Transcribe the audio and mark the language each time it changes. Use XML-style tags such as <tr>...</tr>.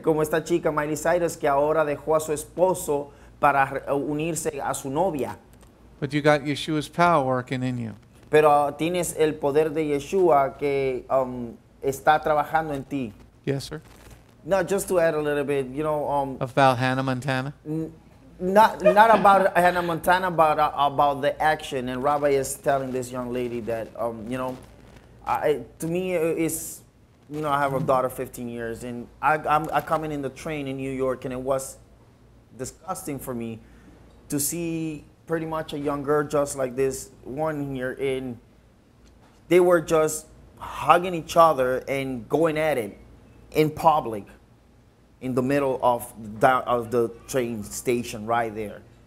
<es>Como esta chica Miley Cyrus que ahora dejó a su esposo para unirse a su novia.</es> <en>But you got Yeshua's power working in you.</en> <es>Pero tienes el poder de Yeshua que está trabajando en ti.</es> <en>Yes, sir. No, just to add a little bit, you know. About Hannah Montana? Not about Hannah Montana, but about the action. And Rabbi is telling this young lady that, you know, I have a daughter 15 years, and I come in the train in New York, and it was disgusting for me to see pretty much a young girl just like this one here, and they were just hugging each other and going at it in public in the middle of the train station right there.</en>